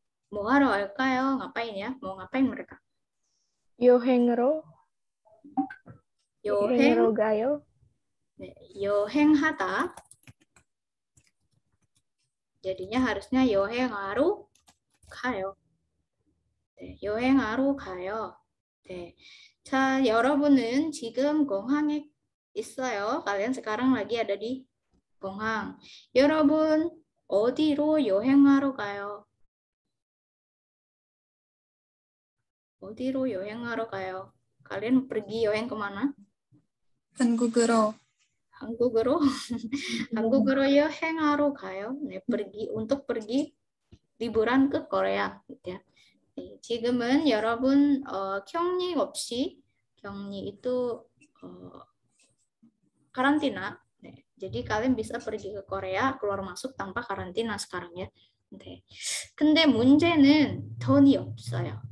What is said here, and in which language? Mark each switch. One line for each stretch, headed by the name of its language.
Korean: 뭐 하러 갈까요?
Indonesian: ngapain ya?
Korean: 뭐
Indonesian: ngapain mereka?
Korean: 여행으로. 여행으로 가요? 네, 여행하다.
Indonesian: �adinya harusnya
Korean: 여행하러 가요. 네, 여행하러 가요. 네. 자, 여러분은 지금 공항에 있어요.
Indonesian: Kalian sekarang lagi ada di 공항.
Korean: 여러분 어디로 여행하러 가요? 어디로 여행하러 가요?
Indonesian: Kalian pergi 여행 kemana?
Korean: 한국으로. 한국으로? 한국으로 여행하러 가요.
Indonesian: 네, pergi, untuk pergi liburan ke Korea.
Korean: 네, 지금은 여러분 격리 없이, 격리
Indonesian: itu karantina. 네, jadi kalian bisa pergi ke Korea, keluar masuk tanpa karantina sekarang ya.
Korean: 네, 근데 문제는 돈이 없어요.